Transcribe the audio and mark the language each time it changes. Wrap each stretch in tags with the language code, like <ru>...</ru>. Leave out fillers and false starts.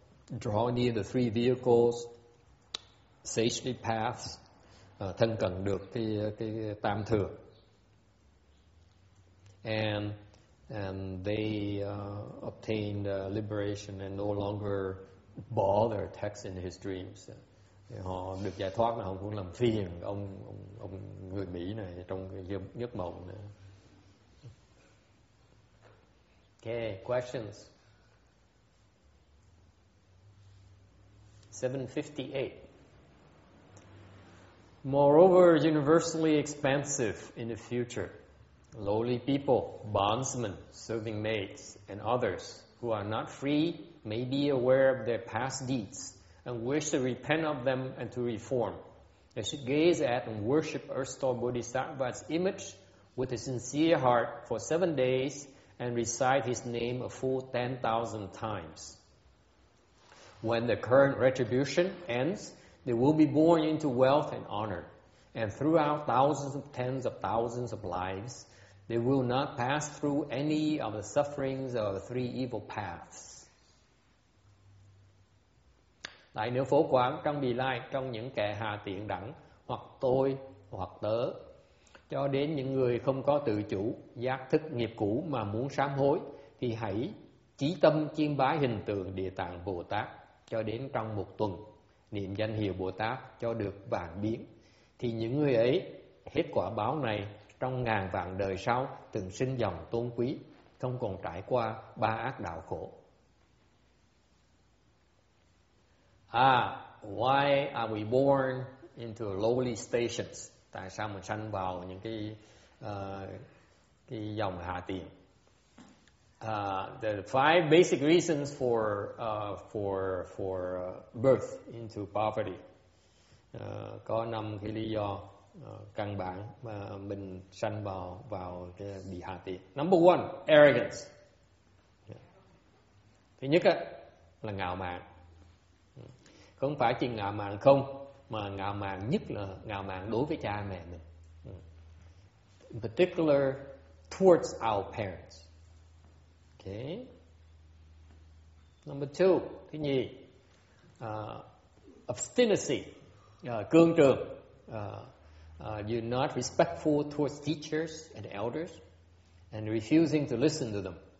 <en>Draw near the three vehicles, sagely paths,</en> <vi>thân cận được cái tam thừa.</vi> <en>And they obtained liberation and no longer bother text in his dreams.</en> <vi>Thì họ được giải thoát mà không muốn làm phiền ông người Mỹ này trong cái giấc mộng nữa.</vi> <en>Okay, questions. 7:58. Moreover, universally expansive in the future, lowly people, bondsmen, serving maids, and others who are not free may be aware of their past deeds and wish to repent of them and to reform. They should gaze at and worship Erstor Bodhisattva's image with a sincere heart for 7 days and recite his name a full 10,000 times. When the current retribution ends, they will be born into wealth and honor. And throughout thousands of tens of thousands of lives, they will not pass through any of the sufferings of the three evil paths.</en> <vi>Tại nơi phổ quán trong vị lai, trong những kẻ hà tiện đẳng, hoặc tôi, hoặc tớ, cho đến những người không có tự chủ, giác thức nghiệp cũ mà muốn sám hối, thì hãy chí tâm chiêm bái hình tượng Địa Tạng Bồ Tát cho đến trong một tuần, niệm danh hiệu Bồ Tát cho được vạn biến, thì những người ấy hết quả báo này trong ngàn vạn đời sau, từng sinh dòng tôn quý, không còn trải qua ba ác đạo khổ.</vi> <en>Why are we born into lowly stations?</en> <vi>Tại sao mình sanh vào những cái dòng hạ tiện?</vi> <en>The five basic reasons for birth into poverty.</en> <vi>Có năm cái lý do căn bản mà mình sanh vào cái bị hạ tiện.</vi> <en>Number one, arrogance.</en> <vi>Thứ nhất là ngạo mạn. Không phải chỉ ngạo mạn không, mà ngạo mạn nhất là ngạo mạn đối với cha mẹ mình.</vi> <en>In particular, towards our parents. Okay. Number two,</en> <vi>thứ nhì,</vi> <en>obstinacy,</en> <vi>cương trường.</vi> <en>You're not respectful towards teachers and elders, and refusing to listen to them.</en>